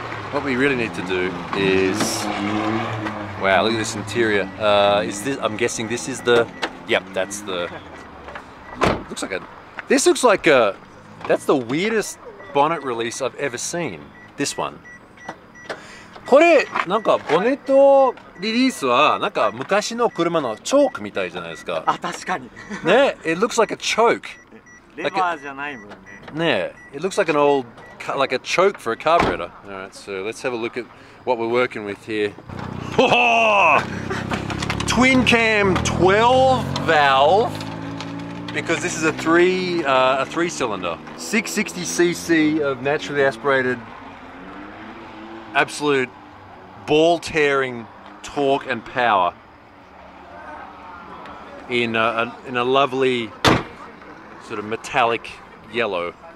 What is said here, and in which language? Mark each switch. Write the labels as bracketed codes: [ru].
[en] What we really need to do is... Wow, look at this interior. Is this... I'm guessing this is the... Yep, that's the... Looks like a... This looks like a... That's the weirdest bonnet release I've ever seen. This one. [ja] これ、なんかボネットリリースはなんか昔の車のチョークみたいじゃないですか。あ、確かに。 [en] ね、It looks like a choke. [ja] レバーじゃないもんね。 [en] ね、It looks like an old, like a choke for a carburetor. Alright, so let's have a look at what we're working with here. Oh! Twin cam 12 valve, because this is a three cylinder. 660cc of naturally aspirated absolute ball tearing torque and power in a lovely sort of metallic yellow.